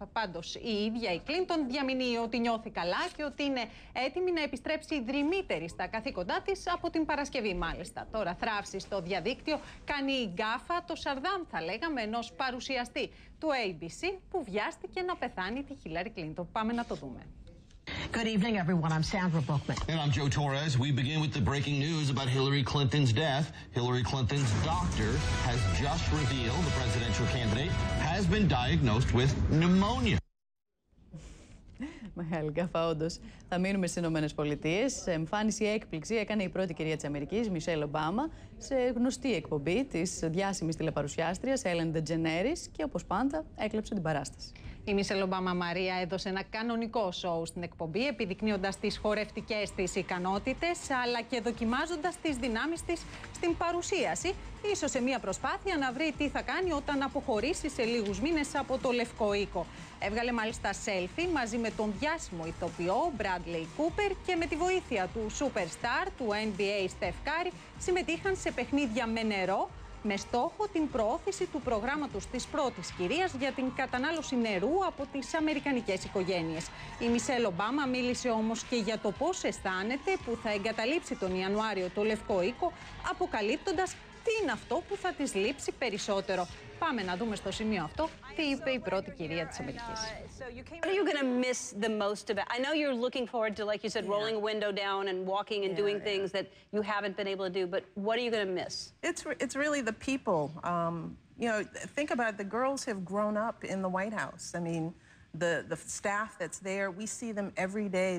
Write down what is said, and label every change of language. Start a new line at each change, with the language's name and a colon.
Greek: Πάντως, η ίδια η Κλίντον διαμηνύει ότι νιώθει καλά και ότι είναι έτοιμη να επιστρέψει ιδρυμύτερη στα καθήκοντά της από την Παρασκευή, μάλιστα. Τώρα, θράψει στο διαδίκτυο κάνει η γκάφα, το σαρδάμ, θα λέγαμε, ενός παρουσιαστή του ABC που βιάστηκε να πεθάνει τη Χίλαρη Κλίντον. Πάμε να το δούμε.
English: Good evening, everyone. I'm Sandra Bookman. And I'm Joe Torres. We begin with the breaking news about Hillary Clinton's death. Hillary Clinton's doctor has just revealed the presidential candidate has been diagnosed with pneumonia.
Greek: Μεγάλη γκάφα, όντως. Θα μείνουμε στις Ηνωμένες Πολιτείες. Εμφάνιση έκπληξη έκανε η πρώτη κυρία της Αμερικής, Μισελ Ομπάμα, σε γνωστή εκπομπή της διάσημης τηλεπαρουσιάστριας Ellen DeGeneres και όπως πάντα έκλεψε την παράσταση. Η Μισελ Ομπάμα Μαρία έδωσε ένα κανονικό σόου στην εκπομπή, επιδεικνύοντας τις χορευτικές της ικανότητες, αλλά και δοκιμάζοντας τις δυνάμεις της στην παρουσίαση, ίσως σε μια προσπάθεια να βρει τι θα κάνει όταν αποχωρήσει σε λίγους μήνες από το Λευκό Οίκο. Έβγαλε μάλιστα selfie μαζί με τον διάσημο ηθοποιό Bradley Cooper και με τη βοήθεια του superstar του NBA Steph Curry συμμετείχαν σε παιχνίδια με νερό με στόχο την προώθηση του προγράμματος της πρώτης κυρίας για την κατανάλωση νερού από τις αμερικανικές οικογένειες. Η Μισελ Ομπάμα μίλησε όμως και για το πώς αισθάνεται που θα εγκαταλείψει τον Ιανουάριο το Λευκό Οίκο, αποκαλύπτοντας τι είναι αυτό που θα της λείψει περισσότερο. Πάμε να δούμε στο σημείο αυτό τι είπε η πρώτη κυρία της Αμερικής.
English: What are you going to miss the most of it? I know you're looking forward to, like you said, rolling a window down and walking and doing things that you haven't been able to do. But what are you going to miss? It's really the people. You know, think about it. The girls have grown up in the White House. I mean, the staff that's there, we see them every day.